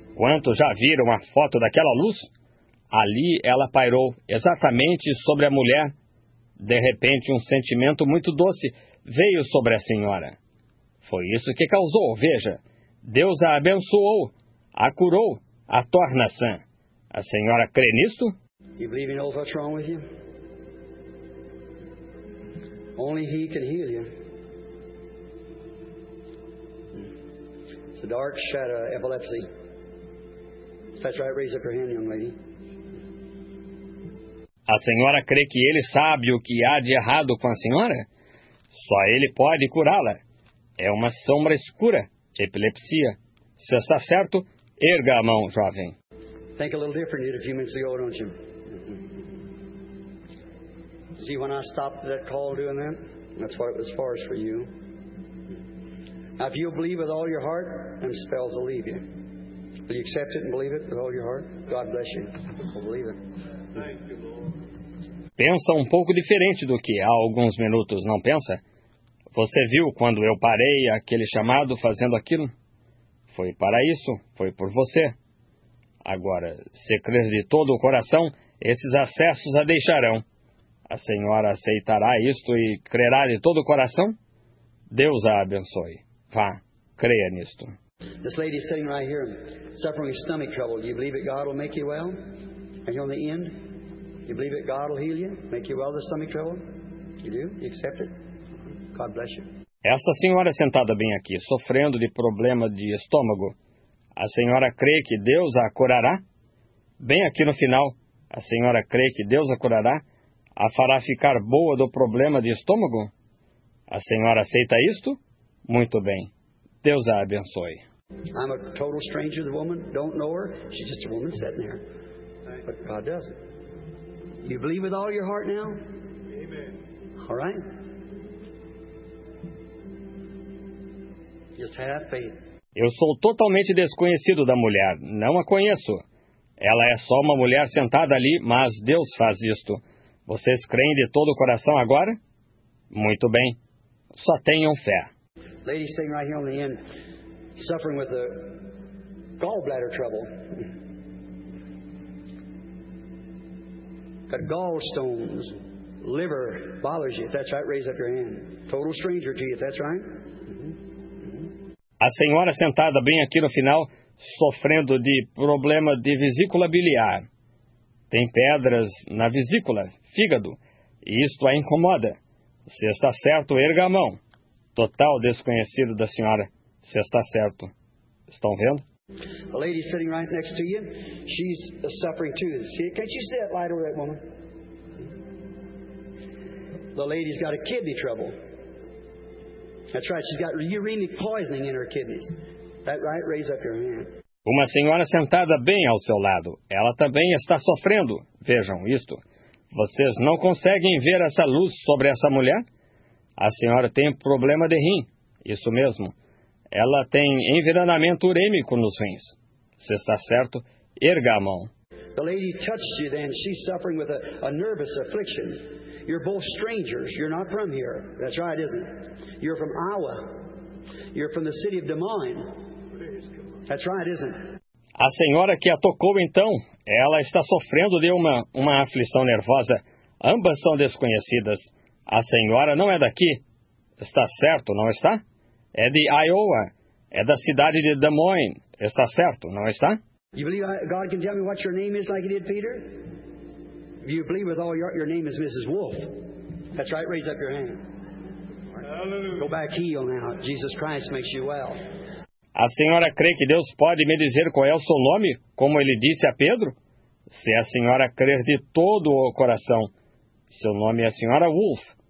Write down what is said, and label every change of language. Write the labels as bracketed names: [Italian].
[Portuguese] Quantos já viram a foto daquela luz? Ali ela pairou exatamente sobre a mulher. De repente, um sentimento muito doce veio sobre a senhora. Foi isso que causou, veja. Deus a abençoou, a curou, a torna sã. A senhora crê nisto? [English] You believe he knows what's wrong with you? Only he can heal you. It's a dark shadow of epilepsy. If that's right, raise up your hand, young lady. [Portuguese] A senhora crê que ele sabe o que há de errado com a senhora? Só ele pode curá-la. É uma sombra escura, epilepsia. Se está certo, erga a mão, jovem. [English] Think a little different a few minutes ago, don't you? See, when I stopped that call doing that, that's what it was for, is for you. Now, if you'll believe with all your heart, then spells will leave you. Will you accept it and believe it with all your heart? God bless you. We'll believe it. Thank you, Lord. [Portuguese] Pensa um pouco diferente do que há alguns minutos, não pensa? Você viu quando eu parei aquele chamado fazendo aquilo? Foi para isso, foi por você. Agora, se crer de todo o coração, esses acessos a deixarão. A senhora aceitará isto e crerá de todo o coração? Deus a abençoe. Vá, creia nisto. [English] This lady is sitting right here, suffering with stomach trouble. Do you believe that God will make you well? Are you on the end? Do you believe that God will heal you, make you well the stomach trouble? You do? You accept it? God bless you. [Portuguese] Essa senhora sentada bem aqui, sofrendo de problema de estômago, a senhora crê que Deus a curará? Bem aqui no final, a senhora crê que Deus a curará? A fará ficar boa do problema de estômago? A senhora aceita isto? Muito bem. Deus a abençoe. [English] I'm a total stranger to the woman. Don't know her. She's just a woman sitting there. But God does it. You believe with all your heart now? Amen. All right? Just have faith. [Portuguese] Eu sou totalmente desconhecido da mulher. Não a conheço. Ela é só uma mulher sentada ali, mas Deus faz isto. Vocês creem de todo o coração agora? Muito bem. Só tenham fé. [English] Lady sitting right here on the end, suffering with a gallbladder trouble. Got gallstones, liver bothers you. If that's right, raise up your hand. Total stranger to you, if that's right. [Portuguese] A senhora sentada bem aqui no final, sofrendo de problema de vesícula biliar. Tem pedras na vesícula, fígado, e isto a incomoda. Se está certo, erga a mão. Total desconhecido da senhora, se está certo. Estão vendo? [English] A lady sitting right next to you, she's suffering too. See, can't you see that light over that woman? The lady's got a kidney trouble. That's right, she's got urinary poisoning in her kidneys. That right? Raise up your hand. [Portuguese] Uma senhora sentada bem ao seu lado. Ela também está sofrendo. Vejam isto. Vocês não conseguem ver essa luz sobre essa mulher? A senhora tem problema de rim. Isso mesmo. Ela tem envenenamento urêmico nos rins. Se está certo, erga a mão. [English] The lady touched you then. She's suffering with a nervous affliction. You're both strangers. You're not from here. That's right, isn't it? You're from Iowa. You're from the city of Des Moines. That's right, isn't it? [Portuguese] A senhora que a tocou então, ela está sofrendo de uma aflição nervosa. Ambas são desconhecidas. A senhora não é daqui. Está certo, não está? É de Iowa. É da cidade de Des Moines. Está certo, não está? [English] You believe God can tell me what your name is like he did Peter? If you believe with all your name is Mrs. Wolf, that's right, raise up your hand. Hallelujah. Go back heal now. Jesus Christ makes you well. [Portuguese] A senhora crê que Deus pode me dizer qual é o seu nome, como ele disse a Pedro? Se a senhora crer de todo o coração, seu nome é a senhora Wolf.